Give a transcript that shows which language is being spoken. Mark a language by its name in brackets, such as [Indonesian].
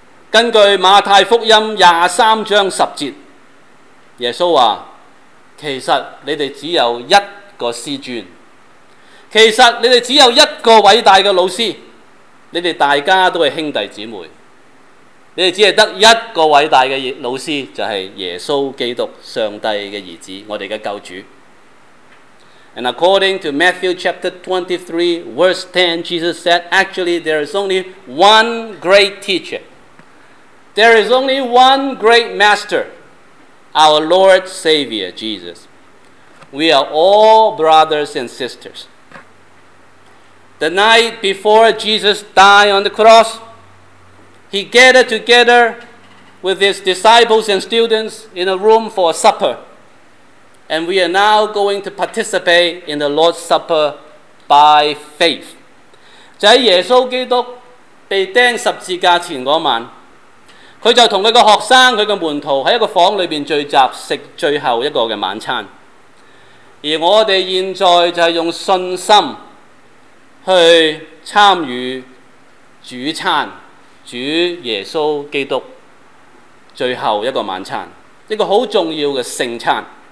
[Chinese] 根据马太福音23章10节，耶稣说，其实你们只有一个师尊，其实你们只有一个伟大的老师，你们大家都是兄弟姊妹，你们只有一个伟大的老师，就是耶稣基督，上帝的儿子，我们的救主。 [English] And according to Matthew chapter 23 verse 10, Jesus said, actually there is only one great teacherThere is only one great master, our Lord Savior, Jesus. We are all brothers and sisters. The night before Jesus died on the cross, he gathered together with his disciples and students in a room for a supper. And we are now going to participate in the Lord's Supper by faith. [Chinese] 在耶稣基督被钉十字架前那晚，他就跟他的学生，他的门徒在一个房里面聚集，吃最后一个的晚餐。而我们现在就是用信心去参与主餐，主耶稣基督最后一个晚餐，一个很重要的圣餐。